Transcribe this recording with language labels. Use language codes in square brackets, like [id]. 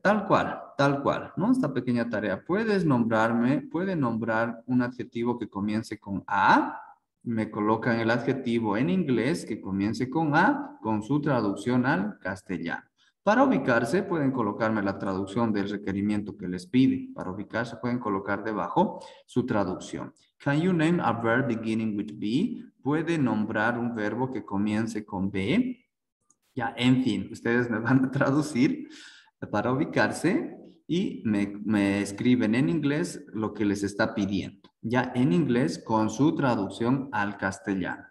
[es] Tal cual, ¿no? Esta pequeña tarea, puede nombrar un adjetivo que comience con A, me colocan el adjetivo en inglés que comience con A con su traducción al castellano. Para ubicarse, pueden colocarme la traducción del requerimiento que les pide. Para ubicarse, pueden colocar debajo su traducción. [en] Can you name a verb beginning with B? [es] ¿Puede nombrar un verbo que comience con B? Ya, en fin, ustedes me van a traducir para ubicarse y me escriben en inglés lo que les está pidiendo. Ya en inglés con su traducción al castellano.